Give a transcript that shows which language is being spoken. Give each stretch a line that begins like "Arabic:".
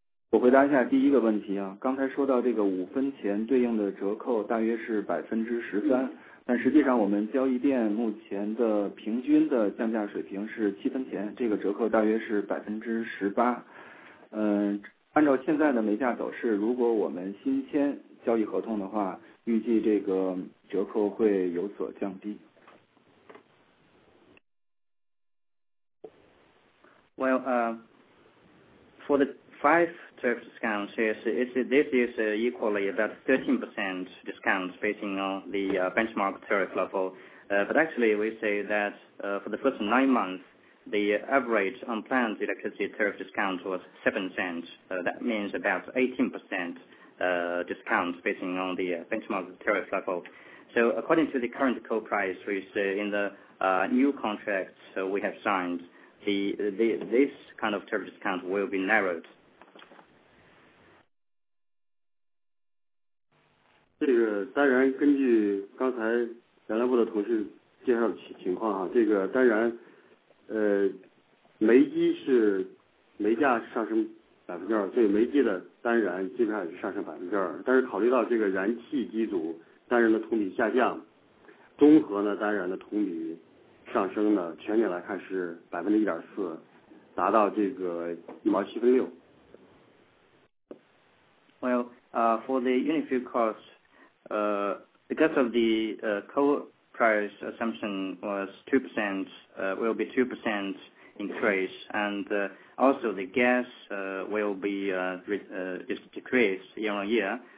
Chinese: 我回答一下第一个问题啊，刚才说到这个五分钱对应的折扣大约是13%，但实际上我们交易电目前的平均的降价水平是七分钱，这个折扣大约是18%。按照现在的煤价走势，如果我们新签交易合同的话，预计这个折扣会有所降低。
English: Well, for the 5 tariff discounts, this is equally about 13% discount based on the benchmark tariff level. But actually, we say that for the first 9 months, the average unplanned electricity tariff discount was 7 cents. That means about 18% discount based on the benchmark tariff level. So according to the current coal price, we say in the new contract we have signed,this kind of tariff discount will be narrowed.
Chinese: 这个当然根据刚才燃料部的同事介绍的情况啊，这个当然煤机是煤价上升2%，所以煤机的当然基本上也是上升2%，但是考虑到这个燃气机组当然的同比下降，综合呢单元的同比上升呢，全年来看是1.4%，达到这个1.76毛。
English: Well, for the unit fuel cost, because of the coal price assumption was 2%, will be 2% increase, and also the gas will be just decreased year on year.